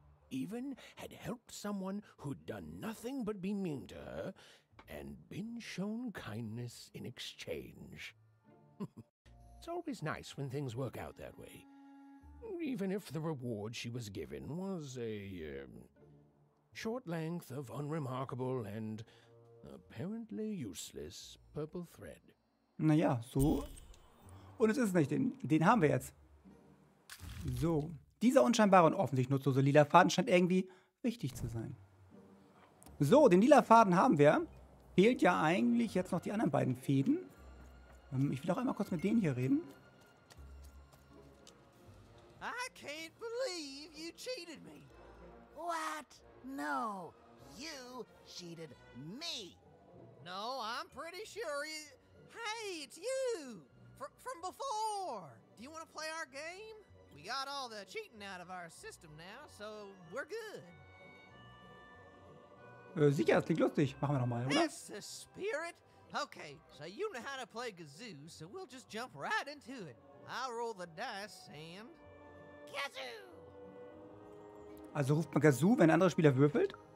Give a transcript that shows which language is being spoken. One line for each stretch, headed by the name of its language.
English: Even had helped someone who'd done nothing but be mean to her and been shown kindness in exchange. It's always nice when things work out that way. Even if the reward she was given was a short length of unremarkable and apparently useless purple thread.
German: Na ja, so Und es ist nicht, den haben wir jetzt. So, dieser unscheinbare und offensichtlich nutzlose lila Faden scheint irgendwie wichtig zu sein. So, den lila Faden haben wir. Fehlt ja eigentlich jetzt noch die anderen beiden Fäden. Ich will auch einmal kurz mit denen hier reden.
English: I can't believe you cheated me. What? No, you cheated me. No, I'm pretty sure you... Hey, it's you! From before! Do you want to play our game? We got all the cheating out of our system now, so we're good.
German: Sicher, das klingt lustig. Machen wir doch mal, oder?
English: That's the spirit! Okay, so you know how to play Gazoo, so we'll just jump right into it. I'll roll the dice and... Gazoo!
German: Also ruft man Gazoo, wenn ein anderer Spieler würfelt?